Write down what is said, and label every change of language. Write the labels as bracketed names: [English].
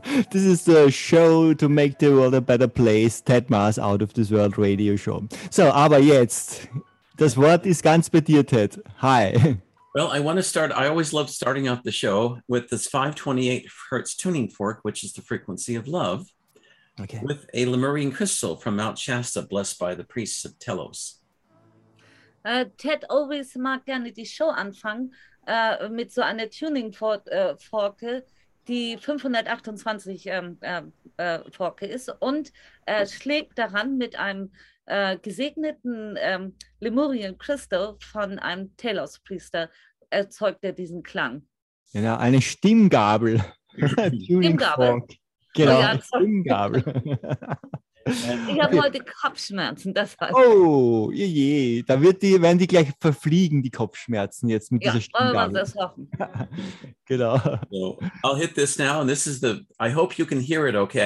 [English] This is the show to make the world a better place. Ted Mahr's Out of This World Radio Show. [German] So, aber jetzt, das Wort ist ganz bei dir, Ted. [English] Hi. Well, I always love starting out the show with this 528 Hertz tuning fork, which is the frequency of love, okay, with a Lemurian crystal from Mount Shasta, blessed by the priests of Telos. [German] Ted always mag gerne die Show anfangen mit so einer Tuning-Forke, die 528 Forke ist, und schlägt daran mit einem gesegneten Lemurian Crystal von einem Telos-Priester, erzeugt er diesen Klang. Genau, eine Stimmgabel. Stimmgabel. Genau, eine Stimmgabel. Ich habe heute Kopfschmerzen, das war's. Oh, je. Da werden die gleich verfliegen, die Kopfschmerzen jetzt mit dieser Stimmgabel. Ja, wollen wir das hoffen. Genau. [English] So, I'll hit this now, and this is I hope you can hear it, okay?